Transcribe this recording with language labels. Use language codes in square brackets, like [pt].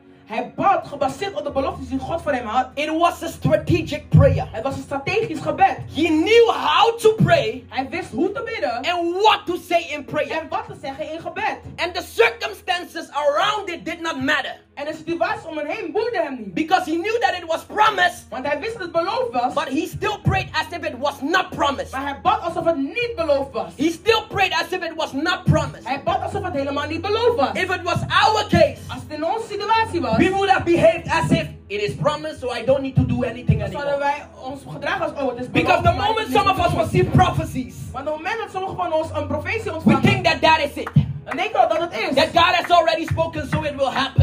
[nl] Hij bad gebaseerd op de beloftes die God voor hem had. [en] It was a strategic prayer. [nl] Het was een strategisch gebed. [en] He knew how to pray. [nl] Hij wist hoe te bidden. [en] And what to say in prayer. [nl] En wat te zeggen in gebed. [en] And the circumstances around it did not matter. [nl] En de situatie om hem heen boeide hem niet. [en] Because he knew that it was promised. [nl] Want hij wist dat het beloofd was. [en] But he still prayed as if it was not promised. [nl] Maar hij bad alsof het niet beloofd was. [en] He still prayed as if it was not promised. [nl] Hij bad alsof het helemaal niet beloofd was. [en] If it was our case. [nl] Als het in onze situatie was. [en] We would have behaved as if it is promised, so I don't need to do anything anymore. [nl] Zouden wij ons gedragen als, oh, het is beloofd. [en] Because the moment some of us receive prophecies. [nl] Want op het moment dat sommige van ons een profetie ontvangen. [en] We think that that is it. [nl] Dan denken we dat het is. [en] That God has already spoken, so it will happen.